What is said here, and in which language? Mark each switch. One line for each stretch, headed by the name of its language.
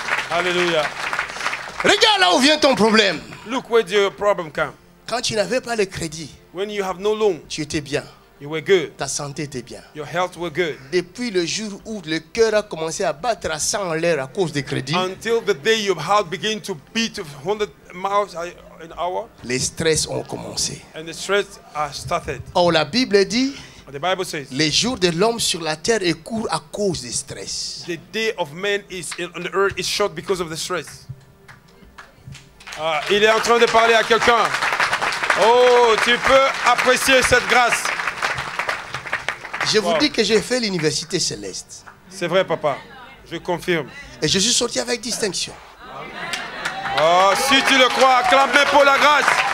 French: Alléluia. Regarde là où vient ton problème.
English: Look where your problem came.
French: Quand tu n'avais pas le crédit,
English: when you have no loan,
French: tu étais bien.
English: You were good.
French: Ta santé était bien.
English: Your health was good.
French: Depuis le jour où le cœur a commencé à battre à 100 à l'heure à cause des crédits.
English: Until the day your heart began to beat 100 miles an hour.
French: Les stress ont commencé.
English: And the stress has started.
French: Or la Bible dit.
English: The Bible says,
French: les jours de l'homme sur la terre est court à cause des stress.
English: The day of man is on the earth is short because of the stress.
French: Il est en train de parler à quelqu'un. Oh, tu peux apprécier cette grâce. Je vous dis que j'ai fait l'université céleste. C'est vrai, papa. Je confirme. Et je suis sorti avec distinction. Oh, si tu le crois, acclamez pour la grâce.